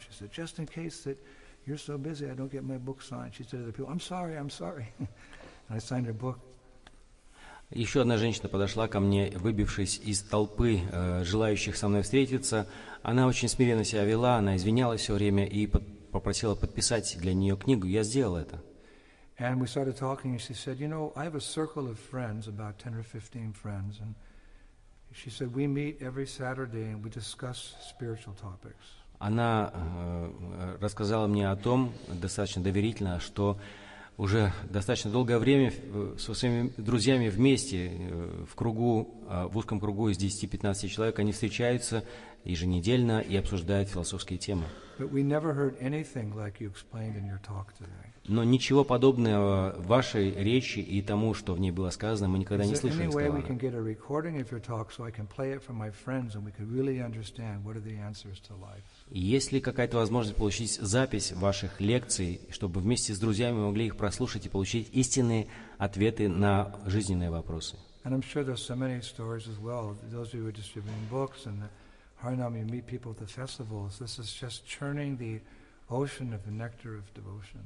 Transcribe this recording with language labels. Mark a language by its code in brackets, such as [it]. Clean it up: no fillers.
[en] She said, "Just in case that you're so busy, I don't get my book signed." She said to the people, "I'm sorry, I'm sorry." And I signed her book. [ru] Еще одна женщина подошла ко мне, выбившись из толпы желающих со мной встретиться. Она очень смиренно себя вела, она извинялась все время и попросила подписать для нее книгу. Я сделал это. [en] And we started talking, and she said, "You know, I have a circle of friends, about 10 or 15 friends, and..." She said, "We meet every Saturday and we discuss spiritual topics." [ru] Она рассказала мне о том, достаточно доверительно, что уже достаточно долгое время со своими друзьями вместе в кругу, в узком кругу из 10-15 человек они встречаются еженедельно и обсуждают философские темы. [en] But we never heard anything like you explained in your talk today. [ru] Но ничего подобного вашей речи и тому, что в ней было сказано, мы никогда не слышали. [en] Is there any way we can get a recording of your talk so I can play it for my friends and we could really understand what are the answers to life? [ru] Есть ли какая-то возможность получить запись ваших лекций, чтобы вместе с друзьями могли их прослушать и получить истинные ответы на жизненные вопросы? [en] And I'm sure there's so many stories as well. Those of you who are distributing books and the Harinam, you meet people at the festivals. This is just churning the ocean of the nectar of devotion.